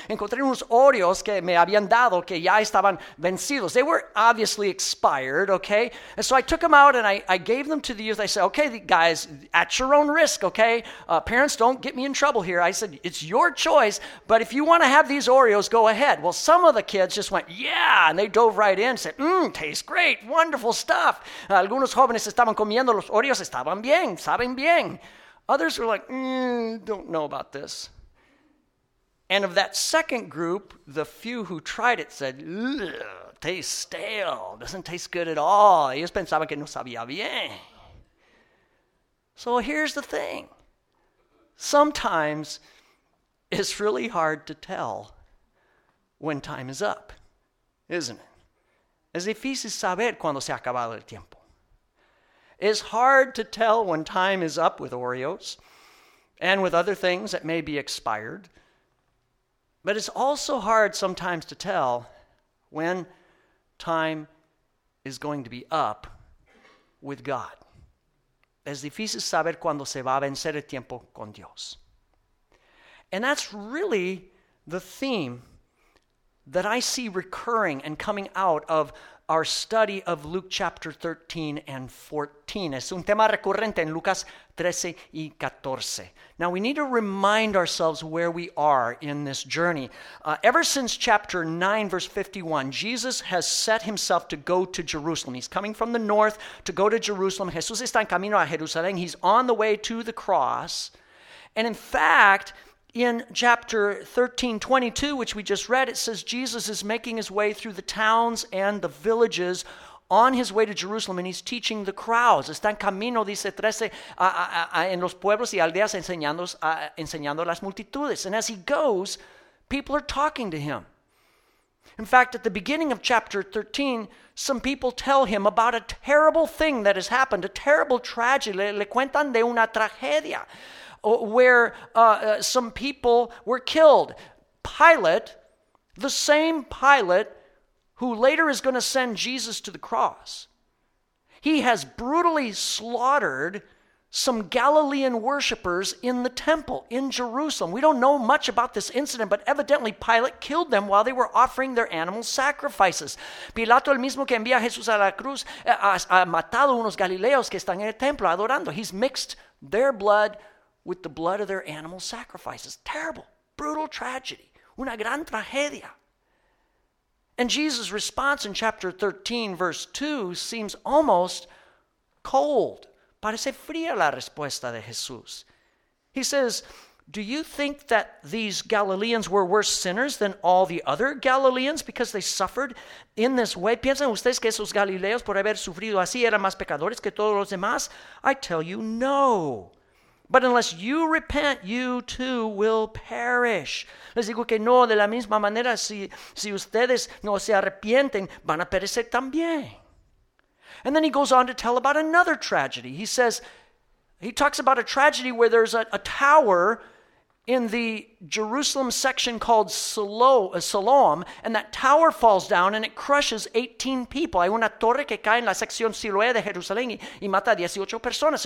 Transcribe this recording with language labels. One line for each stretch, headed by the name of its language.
Spanish: Encontré unos Oreos que me habían dado que ya estaban vencidos.
English: They were obviously expired, okay? And so I took them out and I gave them to the youth. I said, okay, guys, at your own risk, okay? Parents, don't get me in trouble here. I said, it's your choice, but if you want to have these Oreos, go ahead. Well, some of the kids just went, yeah, and they dove right in and said, tastes great, wonderful stuff.
Spanish: Algunos jóvenes estaban comiendo los Oreos, estaban bien, saben bien.
English: Others were like, don't know about this. And of that second group, the few who tried it said, tastes stale, doesn't taste good at all.
Spanish: Ellos pensaban que no sabía bien.
English: So here's the thing. Sometimes it's really hard to tell when time is up, isn't it?
Spanish: Es difícil saber cuando se ha acabado el tiempo.
English: It's hard to tell when time is up with Oreos and with other things that may be expired. But it's also hard sometimes to tell when time is going to be up with God.
Spanish: Es difícil saber cuando se va a vencer el tiempo con Dios.
English: And that's really the theme that I see recurring and coming out of our study of Luke chapter 13 and 14.
Spanish: Es un tema recurrente en Lucas 13 y 14.
English: Now we need to remind ourselves where we are in this journey. Ever since chapter 9, verse 51, Jesus has set himself to go to Jerusalem. He's coming from the north to go to Jerusalem.
Spanish: Jesús está en camino a Jerusalén.
English: He's on the way to the cross. And in fact, in chapter 13, 22, which we just read, it says Jesus is making his way through the towns and the villages on his way to Jerusalem, and he's teaching the crowds.
Spanish: Está en camino, dice 13, en los pueblos y aldeas enseñando las multitudes.
English: And as he goes, people are talking to him. In fact, at the beginning of chapter 13, some people tell him about a terrible thing that has happened, a terrible tragedy.
Spanish: Le cuentan de una tragedia.
English: Where some people were killed. Pilate, the same Pilate who later is going to send Jesus to the cross, he has brutally slaughtered some Galilean worshipers in the temple in Jerusalem. We don't know much about this incident, but evidently Pilate killed them while they were offering their animal sacrifices.
Spanish: Pilato, el mismo que envía a Jesús a la cruz, ha matado unos galileos que están en el templo adorando.
English: He's mixed their blood with the blood of their animal sacrifices. Terrible, brutal tragedy.
Spanish: Una gran tragedia.
English: And Jesus' response in chapter 13, verse 2, seems almost cold.
Spanish: Parece fría la respuesta de Jesús.
English: He says, do you think that these Galileans were worse sinners than all the other Galileans because they suffered in this way?
Spanish: ¿Piensan ustedes que esos galileos por haber sufrido así eran más pecadores que todos los demás?
English: I tell you, no. But unless you repent, you too will perish.
Spanish: Les digo que no, de la misma manera, si ustedes no se arrepienten, van a perecer también.
English: And then he goes on to tell about another tragedy. He talks about a tragedy where there's a tower in the Jerusalem section called Siloam, and that tower falls down and it crushes 18 people.
Spanish: Hay una torre que cae en la sección Siloé de Jerusalén y mata 18 personas.